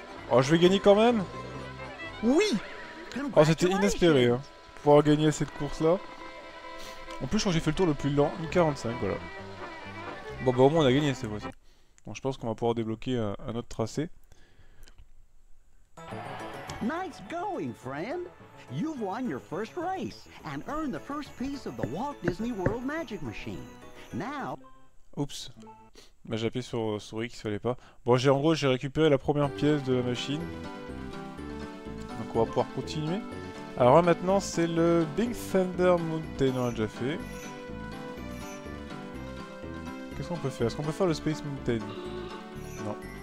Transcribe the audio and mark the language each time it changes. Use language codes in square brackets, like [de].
[fr] Oh, je vais gagner quand même. Oui. Oh, c'était inespéré, hein, pouvoir gagner cette course-là. En plus, je crois que j'ai fait le tour le plus lent, 1:45, voilà. Bon, bah au moins, on a gagné cette fois-ci. Bon, je pense qu'on va pouvoir débloquer un autre tracé. [en] Nice going, friend. You've won your first race and earned the first piece of the Walt Disney World Magic Machine. Now. Oups. [fr] Bah, j'ai appuyé sur souris qui se fallait pas. Bon, j'ai en gros j'ai récupéré la première pièce de la machine. Donc on va pouvoir continuer. Alors là maintenant c'est le Big Thunder Mountain, on l'a déjà fait. Qu'est-ce qu'on peut faire? Est-ce qu'on peut faire le Space Mountain? Non.